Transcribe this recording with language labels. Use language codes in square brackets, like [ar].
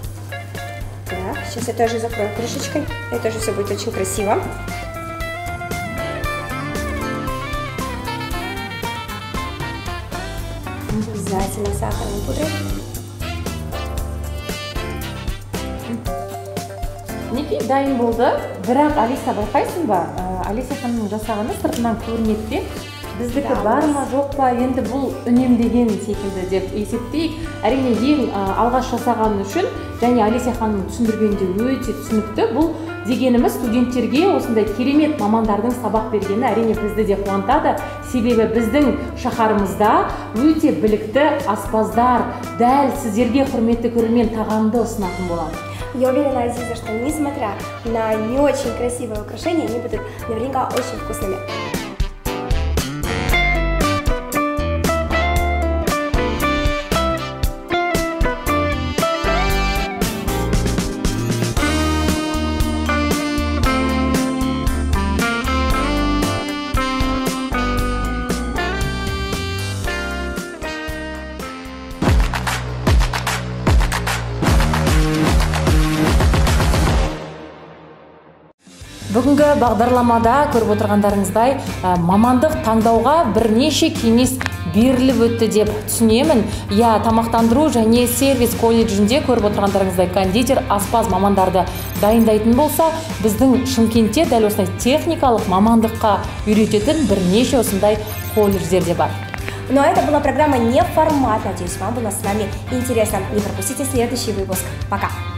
[ru] Так, сейчас я тоже закрою крышечкой. Это же все будет очень красиво. Обязательно сахарной пудрой. [kk] Неке дайын болды, бірақ Алиса байқайсын ба? Алиса ханымның жасағаны сыртынан көрінетті. Біздікі бар ма жоқ па, енді бұл үнемдеген секілді деп есептейік. Әрине ең алғаш жасағаны үшін, және Алиса ханымның түсіндіргенде өте түсінікті. Бұл дегеніміз студенттерге осындай керемет мамандардың сабақ бергені әрине бізді де қуантады. Себебі біздің шаһарымызда өте білікті аспаздар дәл сіздерге құрметті көрермен тағамды ұсынатын болады. [ru] Я уверена, Азиза, что несмотря на не очень красивые украшения, они будут наверняка очень вкусными. [kk] Бүгінгі бағдарламада көріп отырғандарыңыздай, мамандық таңдауға бірнеше кеңес беріліп өтті деп түсінемін. Я тамақтандыру және сервис колледжінде көріп отырғандарыңыздай кондитер, аспаз мамандарды дайындайтын болса, біздің Шымкентте дәл осындай техникалық мамандыққа үйрететін бірнеше осындай колледждер де бар. [ru] Ну а это была программа «Неформат». Надеюсь, вам было с нами интересно. Не пропустите следующий выпуск. Пока.